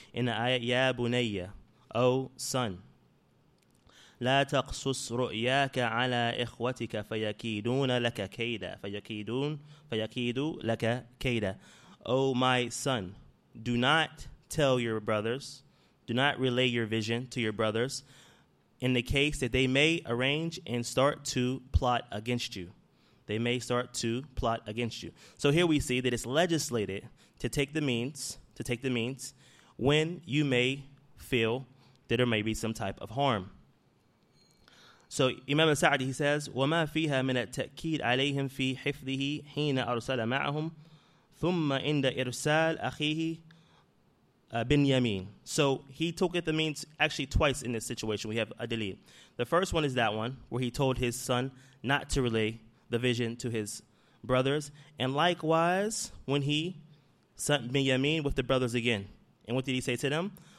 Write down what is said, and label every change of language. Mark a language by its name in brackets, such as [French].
[English] In the ayat, Ya Bunayya, O son, [Arabic] لا تقصص رؤياك على إخوتك فيكيدون لك كيدا فيكيدون فيكيدوا لك كيدا. [English] O my son, do not tell your brothers, do not relay your vision to your brothers in the case that they may arrange and start to plot against you. They may start to plot against you. So here we see that it's legislated to take the means, to take the means when you may feel that there may be some type of harm. So Imam al-Sa'di, he says, [Arabic] وَمَا فِيهَا مِنَ التَّأْكِيدْ عَلَيْهِمْ فِي حِفْظِهِ حِينَ أَرْسَلَ مَعَهُمْ ثُمَّ إِنْدَ إِرْسَالْ أَخِيهِ Binyamin. [English] So he took it the means actually twice in this situation. We have a delil. The first one is that one where he told his son not to relay the vision to his brothers. And likewise, when he sent Binyamin with the brothers again. And what did he say to them?